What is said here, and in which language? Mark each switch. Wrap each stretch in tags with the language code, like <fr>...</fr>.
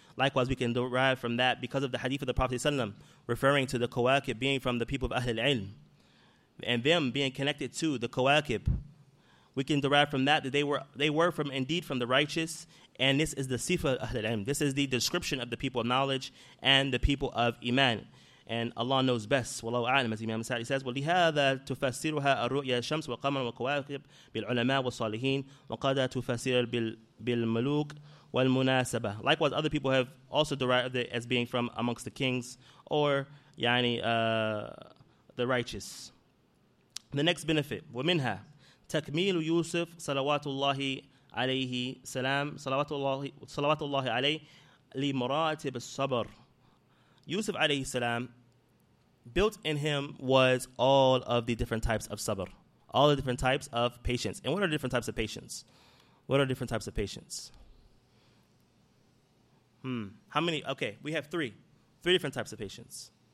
<en>Likewise, we can derive from that because of the hadith of the Prophet ﷺ referring to the Kawakib being from the people of Ahlul Ilm. And them being connected to the Kawakib, we can derive from that that they were from indeed from the righteous, and this is the Sifa Ahlul Ilm. This is the description of the people of knowledge and the people of Iman. And Allah knows best.</en> <ar>Wallahu a'lam,</ar> <en>as Imam Sa'di says,</en> <ar>وَلِهَذَا تُفَسِّرُهَا الرُّؤْيَا الشَّمْسِ وَقَمَرٍ وَكَوَاكِبِ بِالْعُلَمَاءِ وَالصَّالِحِينَ وَقَدَا تُفَسِّرُ بِالْمُلُوكِ وَالْمُنَاسَبَةِ.</ar> <en>Likewise, other people have also derived it as being from amongst the kings or yani the righteous. The next benefit,</en> <ar>وَمِنْهَا تَكْمِيلُ يُوسُفْ صَلَوَاتُ اللَّهِ عَلَيْهِ سَلَامُ صَلَوَاتُ اللَّهِ عَلَيْهِ لِمُرَاتِبِ الصَّبَرِ.</ar> <en>Yusuf alayhi salam, built in him was all of the different types of sabr, all the different types of patience. And what are different types of patience? What are different types of patience? How many? Okay, we have three. Three different types of patience.</en>